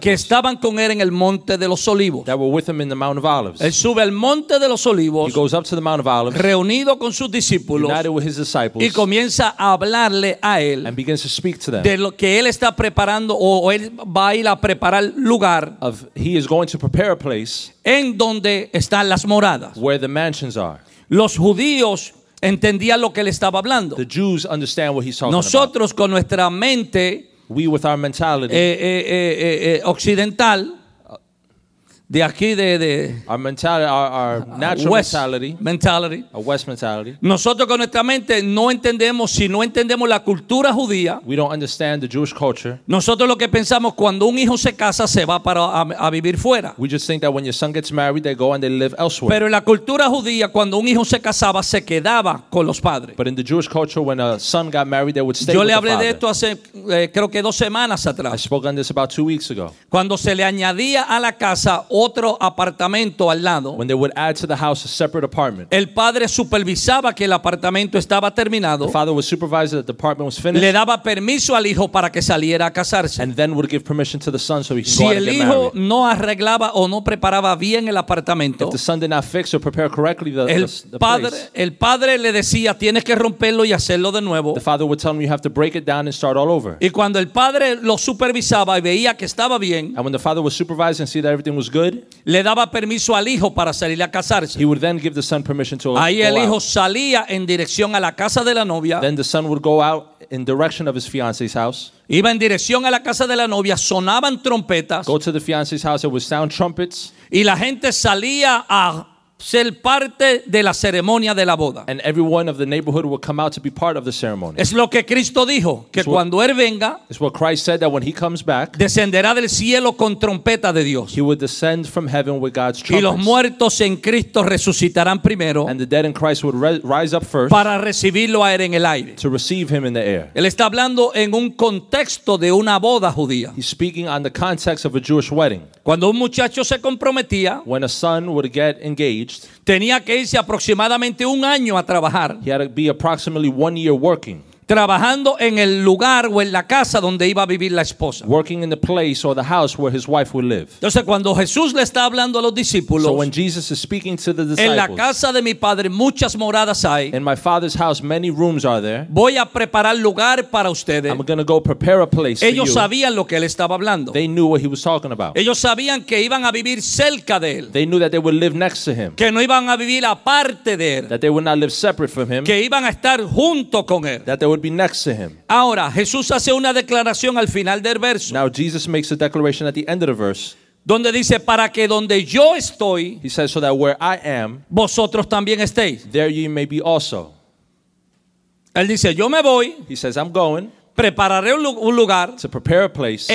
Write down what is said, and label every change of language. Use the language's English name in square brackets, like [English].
[Spanish] que estaban con él en el Monte de los Olivos. [English] That were with him in the Mount of Olives. [Spanish] Él sube al Monte de los Olivos, [English] he goes up to the Mount of Olives, [Spanish] reunido con sus discípulos, [English] united with his disciples, [Spanish] y comienza a hablarle a él, [English] and begins to speak to them, [Spanish] de lo que él está preparando o él va a ir a preparar lugar, [English] of, he is going to prepare a place, [Spanish] en donde están las moradas, [English] where the mansions are. [Spanish] Los judíos entendía lo que él estaba hablando. [English] The Jews understand what he's talking [Spanish] nosotros [English] about. [Spanish] Con nuestra mente, [English] we with our mentality, [Spanish] occidental, de aquí de [English] our mentality, our natural West mentality, mentality, a West mentality. [Spanish] Nosotros con nuestra mente no entendemos si no entendemos la cultura judía. [English] We don't understand the Jewish culture. [Spanish] Nosotros lo que pensamos cuando un hijo se casa se va para a vivir fuera. [English] We just think that when your son gets married they go and they live elsewhere. [Spanish] Pero en la cultura judía cuando un hijo se casaba se quedaba con los padres. [English] But in the Jewish culture when a son got married they would stay with the father. [Spanish] Yo le hablé de esto hace creo que dos semanas atrás. [English] I spoke on this about 2 weeks ago. [Spanish] Cuando se le añadía a la casa otro apartamento al lado. [English] When they would add to the house a separate apartment. [Spanish] El padre supervisaba que el apartamento estaba terminado. [English] The father would supervise that the apartment was finished. [Spanish] Le daba permiso al hijo para que saliera a casarse. [English] And then would give permission to the son so he could [Spanish] si [English] go out and get married. [Spanish] Si el hijo no arreglaba o no preparaba bien el apartamento, [English] if the son did not fix or prepare correctly the [Spanish] padre, [English] place. [Spanish] El padre le decía, tienes que romperlo y hacerlo de nuevo. [English] The father would tell him you have to break it down and start all over. [Spanish] Y cuando el padre lo supervisaba y veía que estaba bien, [English] and when the father was supervising and see that everything was good, [Spanish] le daba permiso al hijo para salir a casarse. [English] He would then give the son permission to [Spanish] ahí [English] go out. [Spanish] Ahí el hijo salía en dirección a la casa de la novia. [English] Then the son would go out in direction of his fiance's house. [Spanish] Iba en dirección a la casa de la novia, sonaban trompetas. [English] Go to the fiance's house, it would sound trumpets. [Spanish] Y la gente salía a ser parte de la ceremonia de la boda. [English] And everyone of the neighborhood would come out to be part of the ceremony. [Spanish] Es lo que Cristo dijo, que [English] it's [Spanish] cuando [English] what, [Spanish] él venga, [English] it's what Christ said that when he comes back, [Spanish] descenderá del cielo con trompeta de Dios. [English] He would descend from heaven with God's trumpets. [Spanish] Y los muertos en Cristo resucitarán primero. [English] And the dead in Christ would rise up first. [Spanish] Para recibirlo a él en el aire. [English] To receive him in the air. [Spanish] Él está hablando en un contexto de una boda judía. [English] He's speaking on the context of a Jewish wedding. [Spanish] Cuando un muchacho se comprometía, [English] when a son would get engaged, [Spanish] tenía que irse aproximadamente un año a trabajar. [English] He had to be approximately 1 year working. [Spanish] Trabajando en el lugar o en la casa donde iba a vivir la esposa. [English] Working in the place or the house where his wife would live. [Spanish] Entonces cuando Jesús le está hablando a los discípulos, [English] so when Jesus is speaking to the disciples, [Spanish] en la casa de mi padre muchas moradas hay. [English] In my father's house many rooms are there. [Spanish] Voy a preparar lugar para ustedes. [English] I'm going to go prepare a place [Spanish] ellos [English] for you. [Spanish] Sabían lo que él estaba hablando. [English] They knew what he was talking about. [Spanish] Ellos sabían que iban a vivir cerca de él. [English] They knew that they would live next to him. [Spanish] Que no iban a vivir aparte de él. [English] That they would not live separate from him. [Spanish] Que iban a estar junto con él. [English] That they would be next to him. [Spanish] Ahora, Jesús hace una declaración al final del verso. [English] Now Jesus makes a declaration at the end of the verse. [Spanish] Donde dice para que donde yo estoy, [English] he says, so that where I am, [Spanish] vosotros también estéis. [English] There you may be also. [Spanish] Él dice, yo me voy. [English] He says, I'm going. [Spanish] Prepararé un lugar. [English] To prepare a place.